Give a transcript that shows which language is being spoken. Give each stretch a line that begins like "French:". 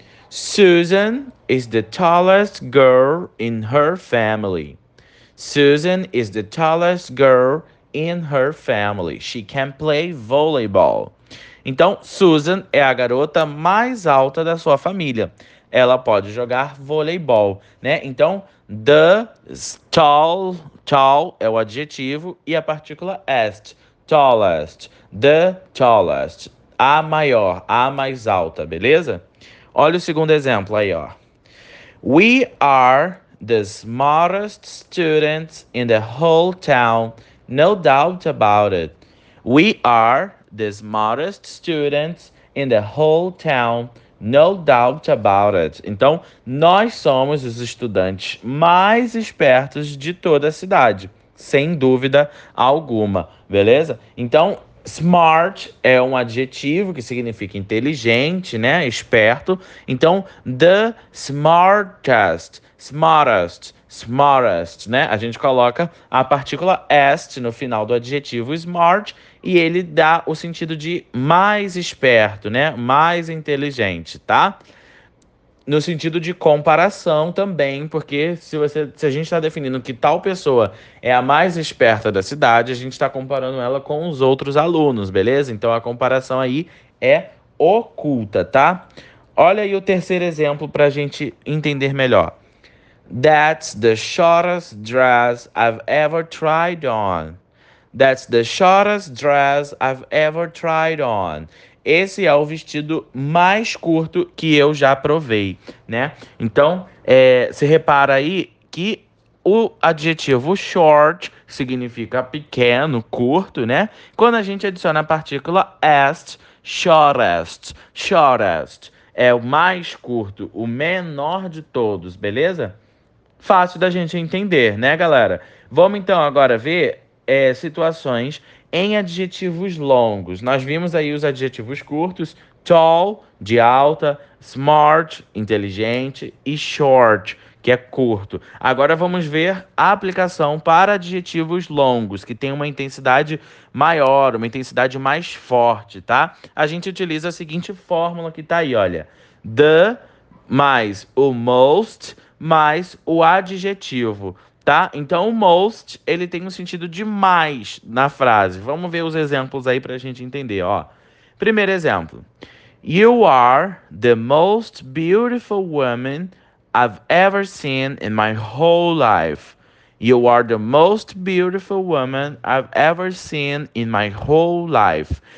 English: Susan is the tallest girl in her family. Susan is the tallest girl in her family. She can play volleyball.
Portuguese: Então, Susan é a garota mais alta da sua família. Ela pode jogar voleibol, né? Então, the tall. Tall é o adjetivo e a partícula est. Tallest. The tallest. A maior, a mais alta, beleza? Olha o segundo exemplo aí, ó.
English: We are the smartest students in the whole town. No doubt about it. We are the smartest students in the whole town. No doubt about it.
Portuguese: Então, nós somos os estudantes mais espertos de toda a cidade, sem dúvida alguma, beleza? Então, smart é um adjetivo que significa inteligente, né? Esperto. Então, the smartest, smartest, smartest, né? A gente coloca a partícula est no final do adjetivo smart. E ele dá o sentido de mais esperto, né? Mais inteligente, tá? No sentido de comparação também, porque se a gente está definindo que tal pessoa é a mais esperta da cidade, a gente está comparando ela com os outros alunos, beleza? Então a comparação aí é oculta, tá? Olha aí o terceiro exemplo para a gente entender melhor.
English: That's the shortest dress I've ever tried on. That's the shortest dress I've ever tried on.
Portuguese: Esse é o vestido mais curto que eu já provei, né? Então, se repara aí que o adjetivo short significa pequeno, curto, né? Quando a gente adiciona a partícula est, shortest, shortest, é o mais curto, o menor de todos, beleza? Fácil da gente entender, né, galera? Vamos então agora ver. Situações em adjetivos longos. Nós vimos aí os adjetivos curtos: tall, de alta, smart, inteligente, e short, que é curto. Agora vamos ver a aplicação para adjetivos longos, que tem uma intensidade maior, uma intensidade mais forte, tá? A gente utiliza a seguinte fórmula que tá aí, olha: the mais o most mais o adjetivo. Tá? Então, o most, ele tem um sentido de mais na frase. Vamos ver os exemplos aí para a gente entender, ó. Primeiro exemplo.
English: You are the most beautiful woman I've ever seen in my whole life. You are the most beautiful woman I've ever seen in my whole life.